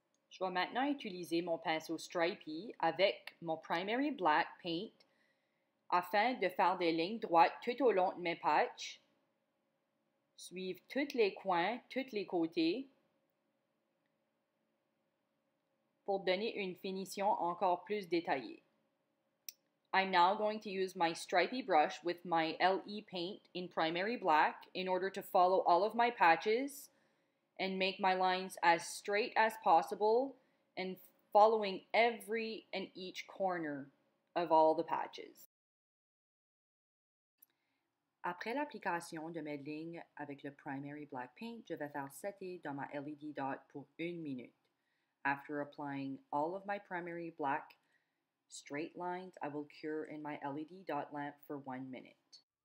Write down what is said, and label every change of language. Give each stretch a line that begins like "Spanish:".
French: Je vais maintenant utiliser mon pinceau stripey avec mon primary black paint afin de faire des lignes droites tout au long de mes patchs, suivre tous les coins, tous les côtés, pour donner une finition encore plus détaillée.
English: I'm now going to use my stripey brush with my LE paint in primary black in order to follow all of my patches and make my lines as straight as possible and following every and each corner of all the patches.
French: Après l'application de mes lignes avec le primary black paint, je vais faire setter dans ma LED dot pour une minute.
English: After applying all of my primary black straight lines, I will cure in my LED dot lamp for 1 minute.